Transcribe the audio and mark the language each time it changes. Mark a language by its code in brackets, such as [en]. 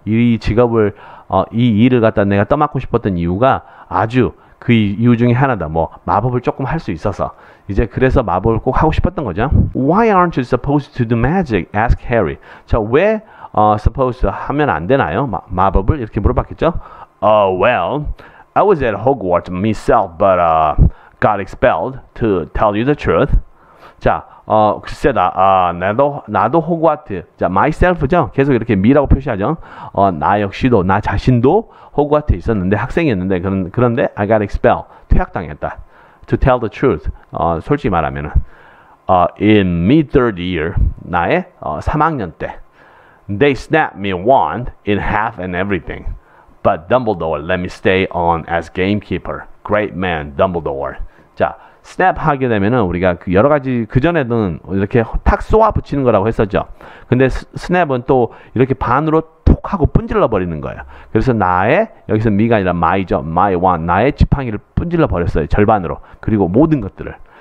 [ko] 이 직업을 이 일을 갖다 내가 떠맡고 싶었던 이유가 아주 그 이유 중에 하나다. 뭐 마법을 조금 할 수 있어서 이제 그래서 마법을 꼭 하고 싶었던 거죠. [en] Why aren't you supposed to do magic? Ask Harry. [ko] 자, 왜 supposed 하면 안 되나요? 마법을 이렇게 물어봤겠죠. [en] Well, I was at Hogwarts myself, but got expelled. To tell you the truth. [ko] 자, 글쎄다. 나도 호그와트. 자, myself죠. 계속 이렇게 me라고 표시하죠. 나 역시도 나 자신도 호그와트에 있었는데 학생이었는데 그런데 [en] I got expelled. [ko] 퇴학당했다. [en] To tell the truth. [ko] 솔직히 말하면은 [en] in mid third year [ko] 나의 3학년 때 [en] they snapped me wand in half and everything. But Dumbledore let me stay on as gamekeeper. Great man, Dumbledore. [ko] 자, snap 하게 되면은 우리가 그 여러 가지 그 전에는 이렇게 탁 쏘아 붙이는 거라고 했었죠. 근데 snap은 또 이렇게 반으로 톡 하고 뿜질러 버리는 거예요. 그래서 나의 여기서 me가 아니라 my죠. My one 나의 지팡이를 뿜질러 버렸어요. 절반으로. 그리고 모든 것들을.